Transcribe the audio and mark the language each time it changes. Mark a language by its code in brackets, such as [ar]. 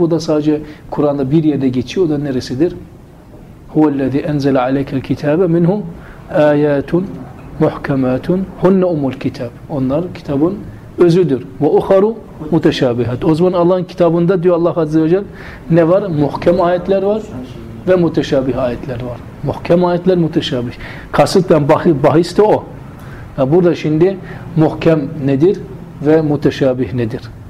[tr] Bu da sadece Kur'an'da bir yerde geçiyor. O da neresidir? [ar] هو الذي أنزل عليك الكتاب منه آيات محكمات هن أم الكتاب. [tr] Onlar kitabın özüdür. [ar] وأخر متشابهات. [tr] O zaman Allah'ın kitabında diyor Allah Azze ve Celle ne var? Muhkem ayetler var ve muteşabih ayetler var. Muhkem ayetler, muteşabih. Kasıtla bahis de o. Yani burada şimdi muhkem nedir ve muteşabih nedir?